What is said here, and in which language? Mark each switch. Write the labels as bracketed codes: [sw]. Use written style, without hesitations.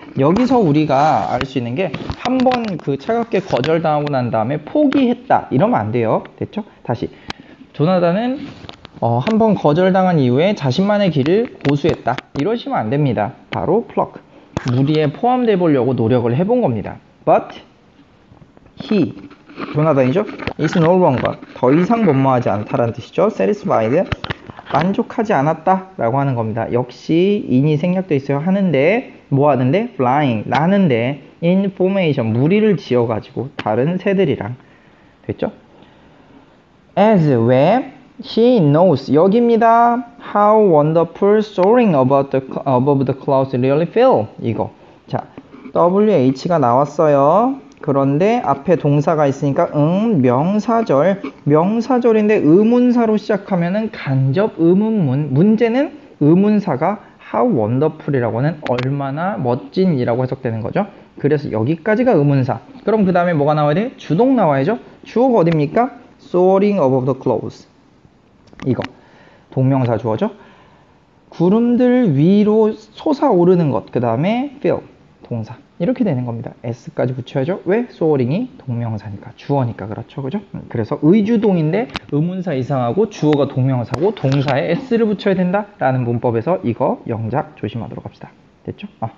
[ko] 여기서 우리가 알 수 있는 게 한 번 그 차갑게 거절당하고 난 다음에 포기했다. 이러면 안 돼요. 됐죠? 다시. 조나단은 한 번 거절당한 이후에 자신만의 길을 고수했다. 이러시면 안 됩니다. 바로 flock. 무리에 포함돼 보려고 노력을 해본 겁니다. [en] But he, [ko] 조나단이죠? [en] is no longer. [ko] 더 이상 원망하지 않다라는 뜻이죠. [en] Satisfied. [ko] 만족하지 않았다 라고 하는 겁니다. 역시 인이 생략되어 있어요. 하는데 뭐 하는데? flying 나는데 information 무리를 지어 가지고 다른 새들이랑 됐죠? [en] as where she knows [ko] 여기입니다. [en] how wonderful soaring above the clouds really feel [ko] 이거 자 [en] wh가 나왔어요. [ko] 그런데 앞에 동사가 있으니까 명사절 명사절인데 의문사로 시작하면은 간접 의문문 문제는 의문사가 [en] how wonderful [ko] 이라고 하는 얼마나 멋진 이라고 해석되는 거죠. 그래서 여기까지가 의문사. 그럼 그 다음에 뭐가 나와야 돼? 주동 나와야죠. 주어가 어딥니까? [en] soaring above the clouds [ko] 이거 동명사 주어죠. 구름들 위로 솟아오르는 것 그 다음에 feel 동사 이렇게 되는 겁니다. S까지 붙여야죠. 왜? Soaring이 동명사니까. 주어니까 그렇죠. 그죠? 그래서 의주동인데 의문사 이상하고 주어가 동명사고 동사에 S를 붙여야 된다라는 문법에서 이거 영작 조심하도록 합시다. 됐죠?